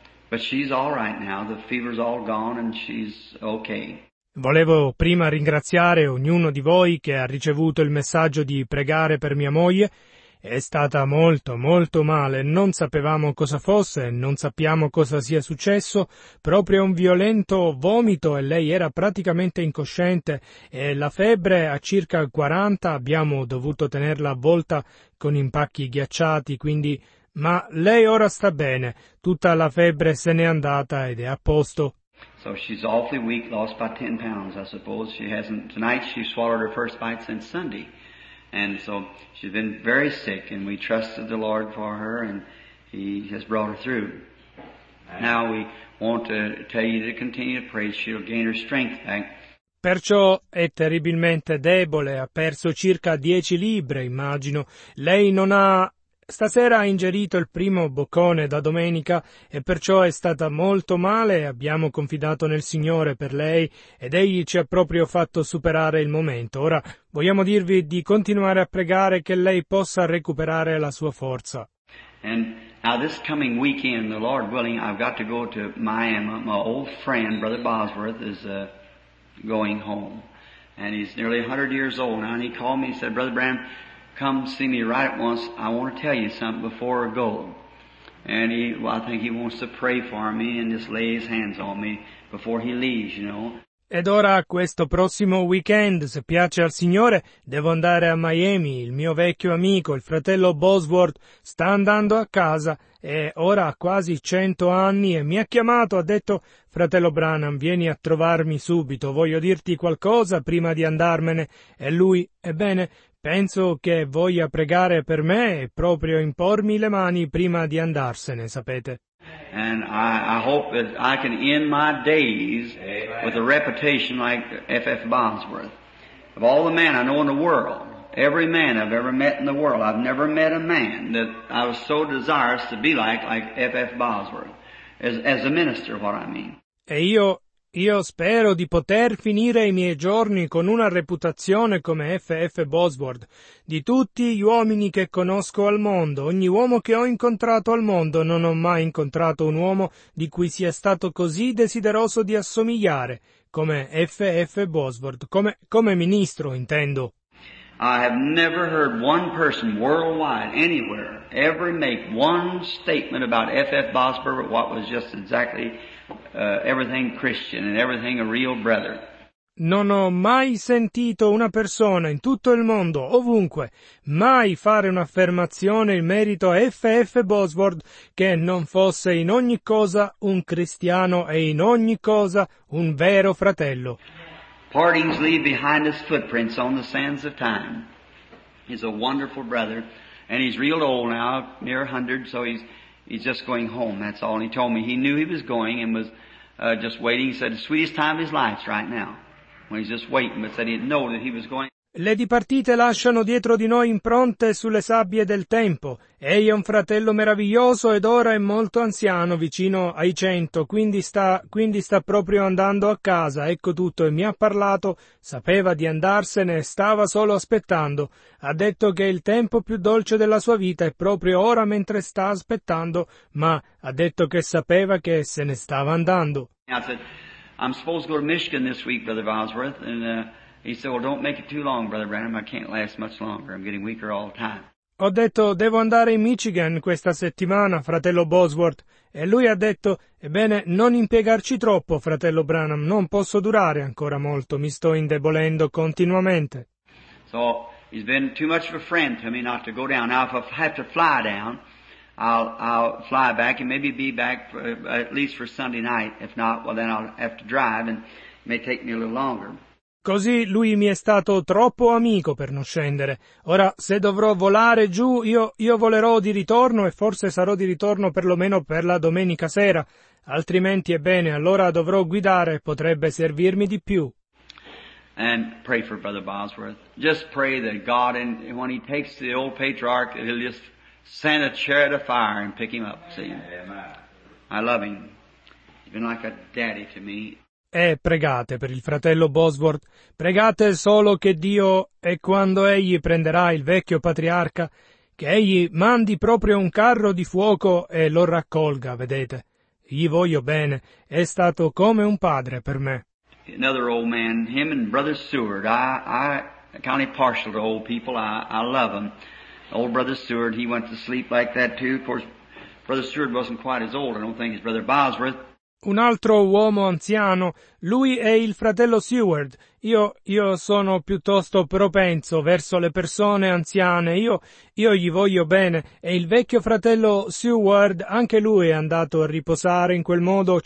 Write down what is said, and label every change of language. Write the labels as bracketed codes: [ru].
[en] But she's all right now. The fever's all gone and she's okay. [it] Volevo prima ringraziare ognuno di voi che ha ricevuto il messaggio di pregare per mia moglie. È stata molto, molto male. Non sapevamo cosa fosse, non sappiamo cosa sia successo. Proprio un violento vomito e lei era praticamente incosciente. E la febbre a circa 40, abbiamo dovuto tenerla avvolta con impacchi ghiacciati, quindi... Ma lei ora sta bene. Tutta la febbre se n'è andata ed è a posto. [en] So she's awfully weak, lost by 10 pounds, I suppose. She hasn't... Tonight she swallowed her first bite since Sunday. And so she's been very sick, and we trusted the Lord for her, and He has brought her through. Now we want to tell you to continue to pray. She'll gain her strength back. [it] Perciò è terribilmente debole, ha perso circa 10 libbre, immagino. Lei non ha... Stasera ha ingerito il primo boccone da domenica e perciò è stata molto male. Abbiamo confidato nel Signore per lei ed Egli ci ha proprio fatto superare il momento. Ora vogliamo dirvi di continuare a pregare che lei possa recuperare la sua forza. [en] And now this coming weekend, the Lord willing, I've got to go to Miami. My old friend, Brother Bosworth, is going home. And he's nearly 100 years old now. And he called me and said, Brother Branham, come see me right at once. I want to tell you something before I go. And I think he wants to pray for me and just lay his hands on me before he leaves, you know. [it] Ed ora, questo prossimo weekend, se piace al Signore, devo andare a Miami. Il mio vecchio amico, il fratello Bosworth, sta andando a casa e ora ha quasi 100 anni e mi ha chiamato, ha detto, fratello Branham, vieni a trovarmi subito, voglio dirti qualcosa prima di andarmene. E lui, ebbene, penso che voglia pregare per me e proprio impormi le mani prima di andarsene, sapete. [en] And I hope that I can end my days. Amen. With a reputation like F.F. Bosworth. Of all the men I know in the world, every man I've ever met in the world, I've never met a man that I was so desirous to be like F.F. Bosworth, as a minister, what I mean. [it] E io spero di poter finire i miei giorni con una reputazione come F.F. Bosworth. Di tutti gli uomini che conosco al mondo, ogni uomo che ho incontrato al mondo, non ho mai incontrato un uomo di cui sia stato così desideroso di assomigliare come F.F. Bosworth, come ministro, intendo. [en] I have never heard one person worldwide, anywhere, ever make one statement about F.F. Bosworth, what was just exactly... everything Christian and everything a real brother. [it] Non ho mai sentito una persona in tutto il mondo, ovunque, mai fare un'affermazione in merito a F.F. Bosworth che non fosse in ogni cosa un cristiano e in ogni cosa un vero fratello. [en] Partings leave behind his footprints on the sands of time. He's a wonderful brother and he's real old now, near 100, so he's just going home, that's all. And he told me he knew he was going and was just waiting. He said the sweetest time of his life's right now, when he's just waiting, but said he didn't know that he was going. [it] Le dipartite lasciano dietro di noi impronte sulle sabbie del tempo. Egli è un fratello meraviglioso ed ora è molto anziano, vicino ai 100, quindi sta proprio andando a casa, ecco tutto, e mi ha parlato, sapeva di andarsene e stava solo aspettando. Ha detto che il tempo più dolce della sua vita è proprio ora mentre sta aspettando, ma ha detto che sapeva che se ne stava andando. [en] I'm supposed to go to Michigan this week, Brother Bosworth, and... He said, well, don't make it too long, Brother Branham. I can't last much longer. I'm getting weaker all the time. [it] ho detto, devo andare in Michigan questa settimana, fratello Bosworth. E lui ha detto, ebbene, non impiegarci troppo, fratello Branham, non posso durare ancora molto, mi sto indebolendo continuamente. [en] So, he's been too much of a friend to me not to go down. Now, if I have to fly down, I'll fly back and maybe be back for, at least for Sunday night. If not, well, then I'll have to drive and it may take me a little longer. [it] Così lui mi è stato troppo amico per non scendere. Ora, se dovrò volare giù, io volerò di ritorno e forse sarò di ritorno perlomeno per la domenica sera. Altrimenti, ebbene, allora dovrò guidare, potrebbe servirmi di più. [en] And pray for Brother Bosworth. Just pray that God, and when he takes the old patriarch, he'll just send a chariot of fire and pick him up, see? I love him. He's been like a daddy to me. [it] E pregate per il fratello Bosworth, pregate solo che Dio, e quando egli prenderà il vecchio patriarca, che egli mandi proprio un carro di fuoco e lo raccolga, vedete. Gli voglio bene, è stato come un padre per me. [en] Another old man, him and Brother Seward, I kind of partial to old people, I love them. Old Brother Seward, he went to sleep like that too, of course Brother Seward wasn't quite as old, I don't think, as Brother Bosworth. [it] Un altro uomo anziano, lui è il fratello Seward. Io sono piuttosto propenso verso le persone anziane, io gli voglio bene. E il vecchio fratello Seward, anche lui è andato a riposare in quel modo.